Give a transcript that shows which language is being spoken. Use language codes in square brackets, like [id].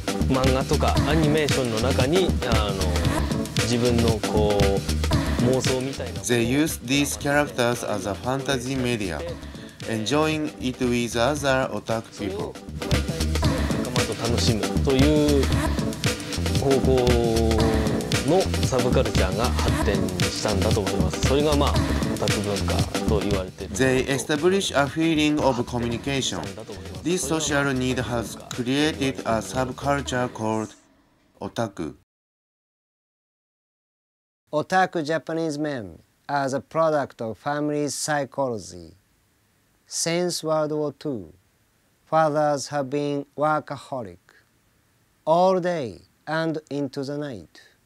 [ja] Manga とかアニメーションの中に自分のこう妄想みたいな。 [en] They use these characters as a fantasy media, enjoying it with other otaku people. [ja] 仲間と楽しむという方法のサブカルチャーが発展したんだと思います。それがまあオタク文化と言われている。 [en] They establish a feeling of communication. This social need has created a subculture called otaku. Otaku Japanese men as a product of family psychology. Since World War II, fathers have been workaholic all day and into the night.